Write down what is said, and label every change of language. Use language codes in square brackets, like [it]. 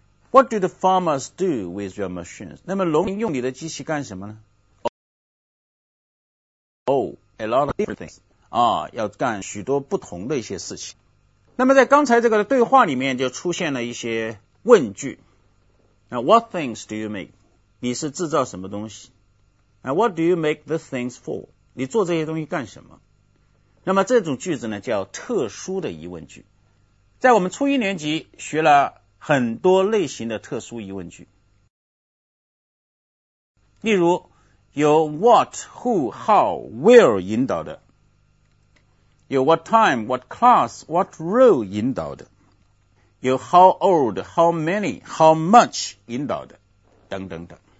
[en] What do the farmers do with your machines? [zh] 那么农民用你的机器干什么呢？ [en] Oh, a lot of different things. [zh] 啊，要干许多不同的一些事情。那么在刚才这个对话里面就出现了一些问句。 [en] Now, what things do you make? [zh] 你是制造什么东西？ [en] Now, what do you make the things for? [zh] 你做这些东西干什么？那么这种句子呢，叫特殊的疑问句。在我们初一年级学了很多类型的特殊疑问句，例如有 what, who, how, where 引导的，有 what time, what class, what role 引导的，有 how old, how many, how much 引导的，等等等。